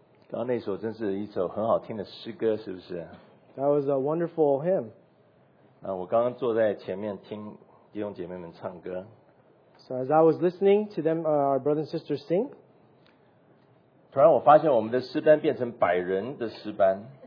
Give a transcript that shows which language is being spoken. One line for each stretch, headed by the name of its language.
Chinese: 刚刚那首真是一首很好听的诗歌，是不是？
English: That was a wonderful hymn.
Chinese: 我刚刚坐在前面听弟兄姐妹们唱歌。
English: So as I was listening to them, our brothers and sisters sing,
Chinese: 突然我发现我们的诗班变成百人的诗班。